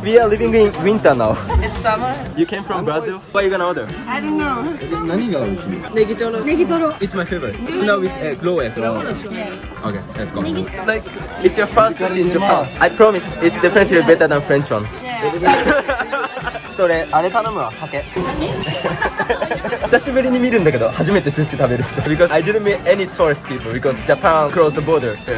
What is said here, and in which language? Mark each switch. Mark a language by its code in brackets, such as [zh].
[en] We are living in winter now. It's summer. You came from Brazil. What are you gonna order? I don't know. [ja] 何が美味しい？ネギトロ。ネギトロ。 [en] It's my favorite. It's now with egg. Raw egg. Raw egg. Okay, let's go. Like, it's your first sushi in Japan. I promise, it's definitely better than French one. Yeah. [ja] ちょっと俺、あれ頼むわ。酒。酒？久しぶりに見るんだけど、初めて寿司食べる人。 [en] Because I didn't meet any tourist people because Japan closed the border.